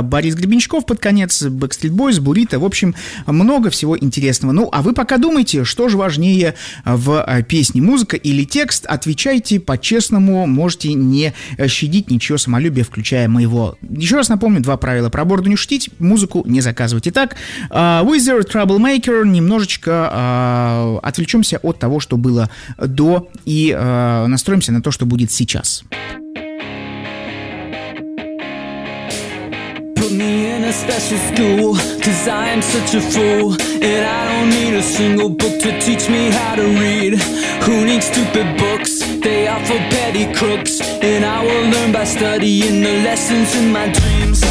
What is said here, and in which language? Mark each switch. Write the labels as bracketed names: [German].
[Russian] Борис Гребенщиков под конец, Backstreet Boys, Burrito. В общем, много всего интересного. Ну, а вы пока думайте, что же важнее в песне, музыка или текст. Отвечайте по-честному, можете не щадить ничьё самолюбие, включая моего. Еще раз напомню, два правила: про бороду не шутить, музыку не заказывать. Итак, Weezer, Troublemaker. Немножечко отвлечемся от того, что было до, и настроимся на то, что будет сейчас. [English] Me in a special school, 'cause I am such a fool, and I don't need a single book to teach me how to read. Who needs stupid books? They are for petty crooks, and I will learn by studying the lessons in my dreams.